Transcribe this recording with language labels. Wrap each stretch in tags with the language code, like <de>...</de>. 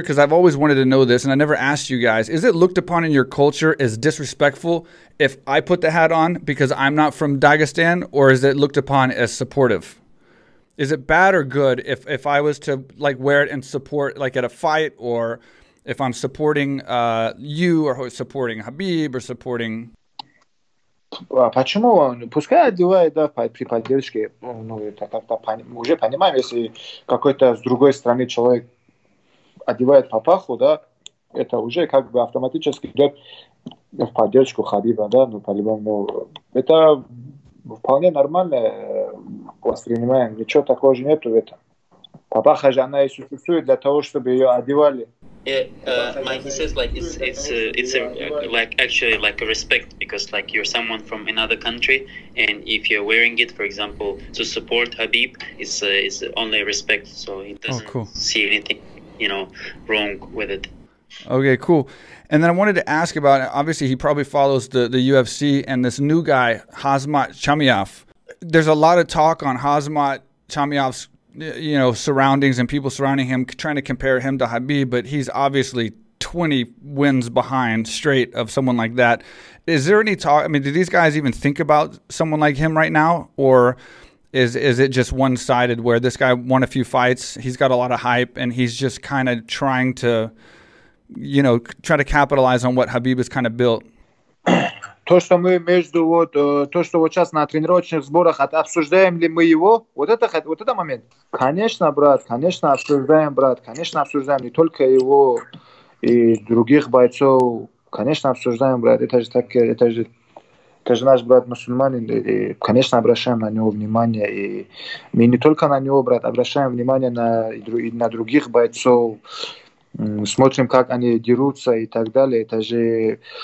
<en>Because I've always wanted to know this, and I never asked you guys. Is it looked upon in your culture as disrespectful if I put the hat on because I'm not from Dagestan, or is it looked upon as supportive? Is it bad or good if I was to like wear it and support like at a fight, or if I'm supporting you or supporting Habib or supporting?</en> <ru>Почему он? Пускай одевает, да, при поддержке. Ну, это как-то уже понимаем, если какой-то с другой стороны человек одевает папаху, да, это уже как бы автоматически идет в поддержку Хабиба, да, ну, по-любому. Это вполне нормально воспринимаем, ничего такого же нету в этом. Папаха же, она и существует для того, чтобы ее одевали.</ru> <en>Mike, he says like it's actually a respect, because like you're someone from another country, and if you're wearing it, for example, to support Habib, it's only respect. So he doesn't see anything, you know, wrong with it. Okay, cool. And then I wanted to ask about, obviously he probably follows the UFC and this new guy Hazmat Chamiyev. There's a lot of talk on Hazmat Chamiyev's, you know, surroundings and people surrounding him, trying to compare him to Habib, but he's obviously 20 wins behind straight of someone like that. Is there any talk? I mean, do these guys even think about someone like him right now? Or is it just one-sided where this guy won a few fights, he's got a lot of hype, and he's just kind of trying to, you know, try to capitalize on what Habib has kind of built?</en> <ru>То, что мы между вот, то, что вот сейчас на тренировочных сборах, обсуждаем ли мы его, вот это момент. Конечно, брат, конечно, обсуждаем, брат, конечно, обсуждаем не только его и других бойцов, конечно, обсуждаем, брат, это же наш брат мусульманин, и, конечно, обращаем на него внимание, и мы не только на него, брат, обращаем внимание на других бойцов, смотрим, как они дерутся и так далее, это же...</ru>